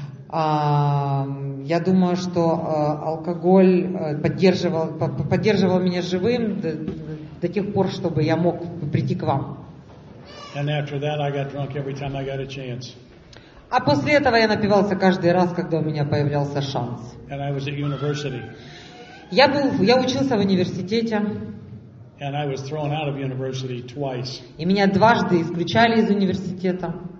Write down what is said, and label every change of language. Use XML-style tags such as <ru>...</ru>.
<ru>Я думаю, что алкоголь поддерживал меня живым до тех пор, чтобы я мог прийти к вам.</ru> <en>And after that I got drunk every time I got a chance.</en> <ru>А после этого я напивался каждый раз, когда у меня появлялся шанс.</ru> <en>And I was at university.</en> <ru>Я учился в университете.</ru> <en>And I was thrown out of university twice.</en> <ru>И меня дважды исключали из университета.</ru>